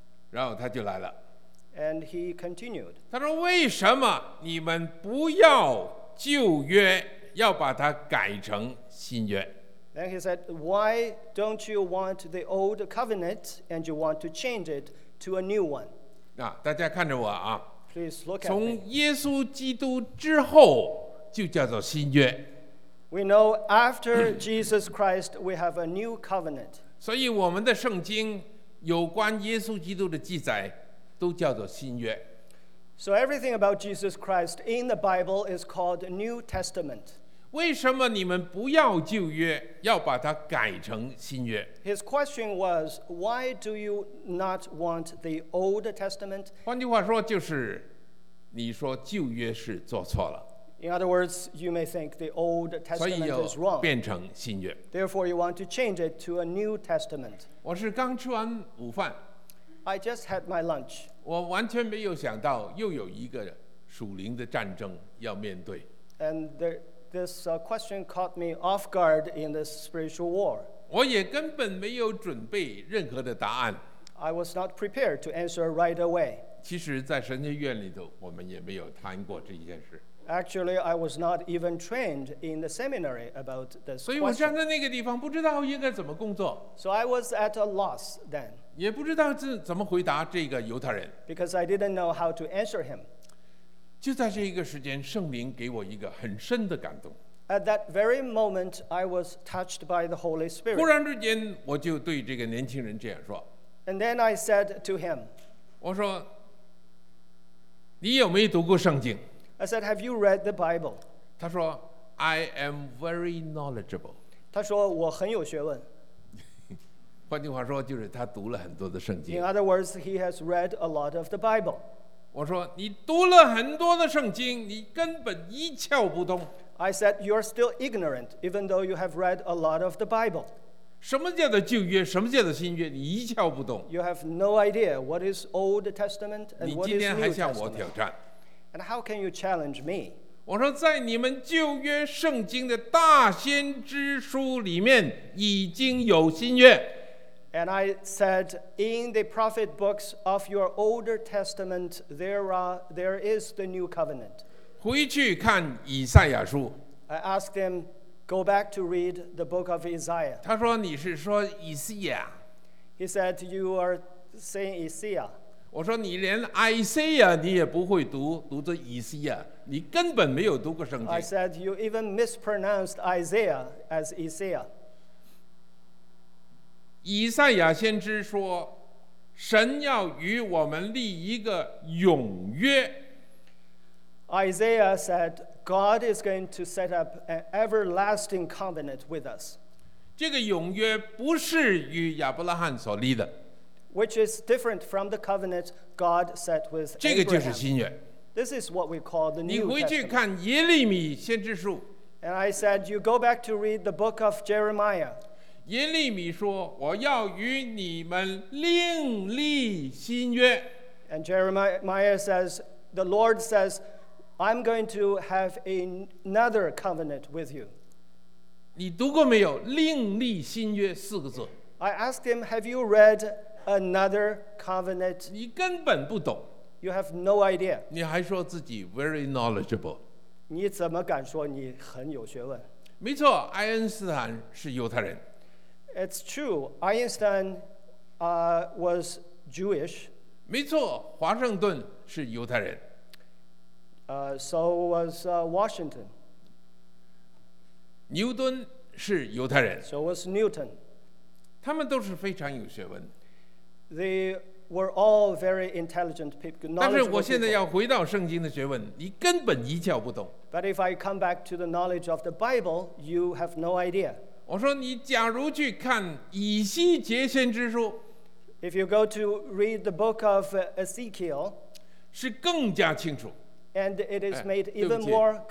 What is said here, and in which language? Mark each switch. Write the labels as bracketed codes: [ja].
[zh] 然后他就来了。 [en] And he continued. [zh] 他说为什么你们不要旧约要把它改成新约。 [en] Then he said, "Why don't you want the old covenant and you want to change it to a new one?" [zh] 那大家看着我啊。 [en] Please look at me. [zh] 从耶稣基督之后就叫做新约。 [en] We know after Jesus Christ, we have a new covenant. [zh] 所以我们的圣经有关耶稣基督的记载都叫做新约。 [en] So everything about Jesus Christ in the Bible is called New Testament. [zh] 为什么你们不要旧约，要把它改成新约？ [en] His question was, why do you not want the Old Testament? [zh] 换句话说就是，你说旧约是做错了。 [en] In other words, you may think the Old Testament is wrong. [zh] 所以要变成新约。 [en] Therefore, you want to change it to a New Testament. [zh] 我是刚吃完午饭。 [en] I just had my lunch. [zh] 我完全没有想到又有一个属灵的战争要面对。 [en] And this question caught me off guard in this spiritual war. [zh] 我也根本没有准备任何的答案。 [en] I was not prepared to answer right away. [zh] 其实在神学院里头我们也没有谈过这件事。 [en] Actually, I was not even trained in the seminary about this question. [zh] 所以我站在那个地方不知道应该怎么工作。 [en] So I was at a loss then. [zh] 也不知道怎么回答这个犹太人。 [en] Because I didn't know how to answer him. [zh] 就在这一个时间，圣灵给我一个很深的感动。 [en] At that very moment, I was touched by the Holy Spirit. [zh] 忽然之间，我就对这个年轻人这样说。 [en] And then I said to him, [zh] 我说，你有没有读过圣经？ [en] I said, have you read the Bible? [zh] 他说， [en] I am very knowledgeable. [zh] 他说，我很有学问。换句话说，就是他读了很多的圣经。 [en] In other words, he has read a lot of the Bible. [zh] 我说，你读了很多的圣经，你根本一窍不通。 [en] I said, you are still ignorant, even though you have read a lot of the Bible. [zh] 什么叫做旧约，什么叫做新约，你一窍不通。 [en] You have no idea what is Old Testament and what is New Testament. [zh] 你今天还向我挑战。 [en] And how can you challenge me? [zh] 我说，在你们旧约圣经的大先知书里面已经有新约。 [en] And I said, in the prophet books of your Old Testament, there is the new covenant. [zh] 回去看以赛亚书。 [en] I asked him, go back to read the book of Isaiah. [zh] 他说你是说以西亚。 [en] He said, you are saying Isaiah. [zh] 我说你连 Isaiah 你也不会读，读着以西亚，你根本没有读过圣经。 [en] I said, you even mispronounced Isaiah as Isaiah. [zh] 以赛亚先知说神要与我们立一个永约。 [en] Isaiah said God is going to set up an everlasting covenant with us. [zh] 这个永约不是与亚伯拉罕所立的。 [en] Which is different from the covenant God set with Abraham. [zh] 这个就是新约。 [en] This is what we call the New Testament. [zh] 你回去看耶利米先知书。 [en] And I said you go back to read the book of Jeremiah. [zh] 耶利米说我要与你们另立新约。 [en] And Jeremiah says, the Lord says, I'm going to have another covenant with you. [zh] 你读过没有另立新约四个字 [en] I asked him, have you read another covenant? [zh] 你根本不懂 [en] You have no idea. [zh] 你还说自己 [en] very knowledgeable. [zh] 你怎么敢说你很有学问没错爱因斯坦是犹太人 [en] It's true, Einstein, was Jewish. [zh] 没错华盛顿是犹太人 [en] So was Washington. [zh] 牛顿是犹太人。 [en] So was Newton. [zh] 他们都是非常有学问。 [en] They were all very intelligent people. [zh] 但是我现在要回到圣经的学问，你根本一窍不通。 [en] But if I come back to the knowledge of the Bible, you have no idea. [zh] 我说你假如去看以西结先知书 [en] ，If you go to read the book of Ezekiel, [zh] 是更加清楚。 [en] And it is made even more clear.